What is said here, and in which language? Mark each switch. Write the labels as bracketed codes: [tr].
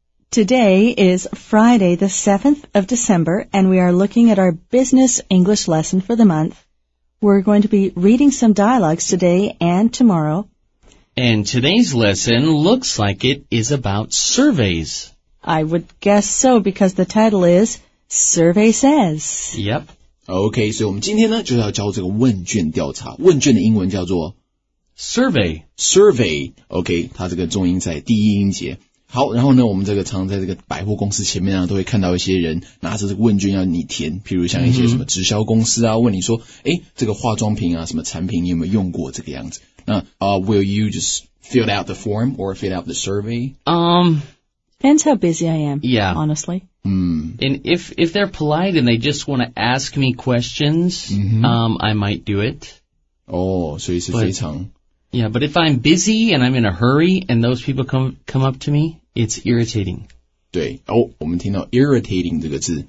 [en] Today is Friday, the 7th of December, and we are looking at our business English lesson for the month. We're going to be reading some dialogues today and tomorrow. And today's lesson looks like it is about surveys. I would guess so, because the title is Survey Says. Yep. [zh] OK, 所以我们今天呢就要教这个问卷调查。问卷的英文叫做 [en] Survey. Survey. [zh] OK, 它这个重音在第一音节。好，然后呢我们这个常常在这个百货公司前面啊都会看到一些人拿着这个问卷要你填，譬如像一些什么直销公司啊问你说诶这个化妆品啊什么产品你有没有用过这个样子。 [en] 那will you just fill out the form or fill out the survey? Depends how busy I am, yeah. Honestly. And if they're polite and they just want to ask me questions,、mm-hmm. I might do it. Oh, so it's very... Yeah, but if I'm busy and I'm in a hurry and those people come up to me, it's irritating. [zh] 对、oh, 我们听到 irritating 这个字。